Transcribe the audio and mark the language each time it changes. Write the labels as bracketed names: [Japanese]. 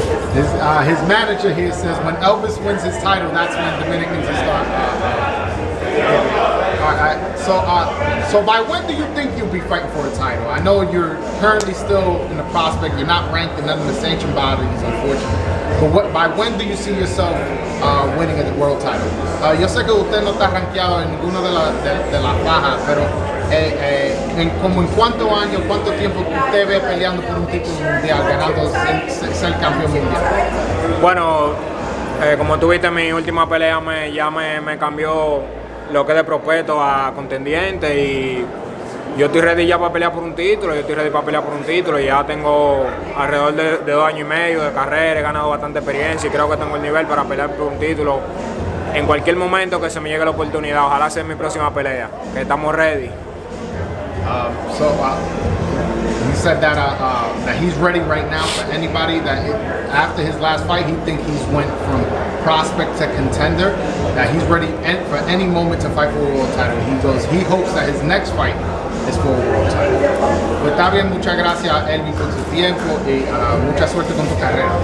[English] His manager here says, when Elvis wins his title, that's when Dominicans will start. So by when do you think you'll be fighting for a title? I know you're currently still in the prospect. You're not ranked in none of the sanctioned bodies, unfortunately. But by when do you see yourself winning at the world title? [Spanish] Yo sé que usted no está rankeado en ninguna de la faja, pero en cuántos años, cuánto tiempo usted ve peleando por un título mundial, ganando ser campeón mundial? Bueno, como tú viste, mi última pelea me cambió lo que de prospecto a contendiente y yo estoy ready ya para pelear por un título, yo estoy ready para pelear por un título. Ya tengo alrededor de 2 años y medio de carrera, he ganado bastante experiencia y creo que tengo el nivel para pelear por un título. En cualquier momento que se me llegue la oportunidad, ojalá sea mi próxima pelea, que estamos ready. [English] He said that that he's ready right now for anybody, that after his last fight, he thinks he's went from prospect to contender, that he's ready for any moment to fight for a world title. He goes, he hopes that his next fight is for a world title. [Spanish] Pues está bien, muchas gracias, Elvis, por su tiempo y mucha suerte con tu carrera.